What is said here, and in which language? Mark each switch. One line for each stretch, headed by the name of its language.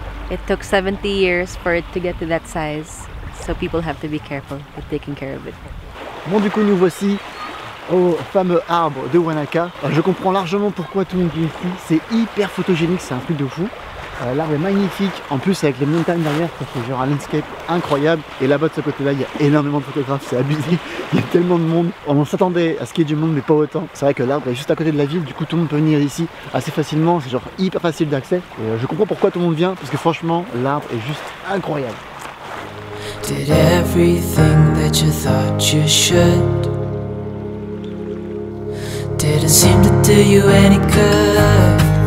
English: It took 70 years for it to get to that size, so people have to be careful with taking care of it.
French: Bon, du coup, nous voici au fameux arbre de Wanaka. Je comprends largement pourquoi tout le monde vient ici. C'est hyper photogénique, c'est un truc de fou. L'arbre est magnifique, en plus avec les montagnes derrière, ça fait genre un landscape incroyable. Et là-bas de ce côté-là, il y a énormément de photographes, c'est abusé, il y a tellement de monde. On s'attendait à ce qu'il y ait du monde, mais pas autant. C'est vrai que l'arbre est juste à côté de la ville, du coup tout le monde peut venir ici assez facilement, c'est genre hyper facile d'accès. Et je comprends pourquoi tout le monde vient, parce que franchement, l'arbre est juste incroyable.
English: Did everything that you thought you should. Didn't seem to do you any good.